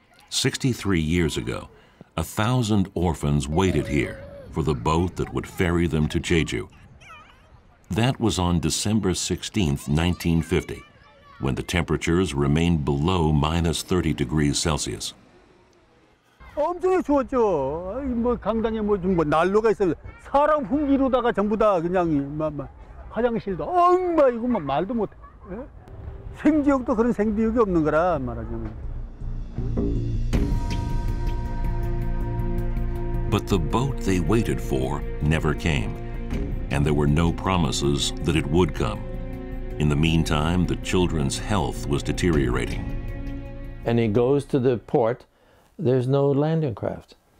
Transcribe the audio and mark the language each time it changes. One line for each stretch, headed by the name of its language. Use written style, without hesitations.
English: 63 years ago, 1,000 orphans waited here for the boat that would ferry them to Jeju. That was on December 16, 1950, when the temperatures remained below minus 30 degrees Celsius.
Korean: 엄청 추웠죠. 뭐 강당에 뭐 좀 뭐 난로가 있어요. 사람 훈기로다가 전부 다 그냥 막 화장실도 엉마 이거 막 말도 못해. 생지옥도 그런 생지옥이 없는 거라 말하자면.
English: But the boat they waited for never came, and there were no promises that it would come. In the meantime, the children's health was deteriorating. And he goes to the port. There's no landing craft.